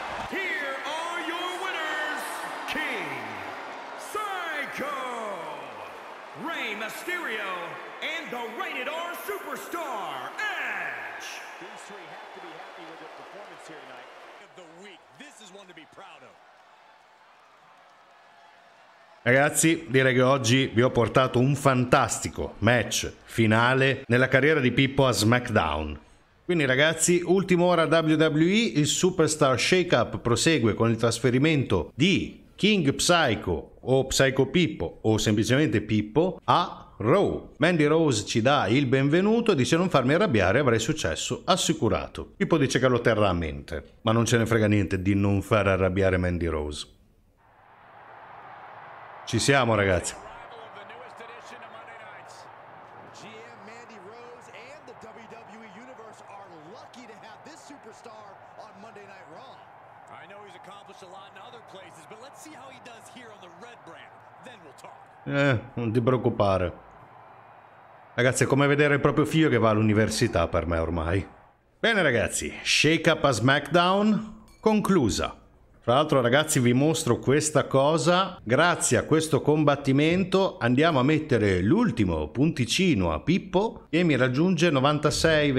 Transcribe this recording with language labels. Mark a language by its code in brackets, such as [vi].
[en] Here are your winners, King Psycho, Rey Mysterio, and the Rated R Superstar, Edge. These three have to be happy with their performance here tonight. Of the week, this is one to be proud of. [it] Ragazzi, direi che oggi vi ho portato un fantastico match finale nella carriera di Pippo a SmackDown. Quindi ragazzi, ultima ora WWE, il Superstar Shake-Up prosegue con il trasferimento di King Psycho o Psycho Pippo o semplicemente Pippo a Raw. Mandy Rose ci dà il benvenuto e dice: non farmi arrabbiare, avrei successo assicurato. Pippo dice che lo terrà a mente, ma non ce ne frega niente di non far arrabbiare Mandy Rose. Ci siamo, ragazzi. [en] GM Mandy Rose and the WWE Universe are lucky to have this superstar on Monday Night Raw. I know he's accomplished a lot in other places, but let's see how he does here on the red brand. Then we'll talk. [it] Non ti preoccupare. Ragazzi, è come vedere il proprio figlio che va all'università per me ormai. Bene, ragazzi, Shake Up a SmackDown conclusa. Tra l'altro, ragazzi, vi mostro questa cosa. Grazie a questo combattimento andiamo a mettere l'ultimo punticino a Pippo e mi raggiunge 96.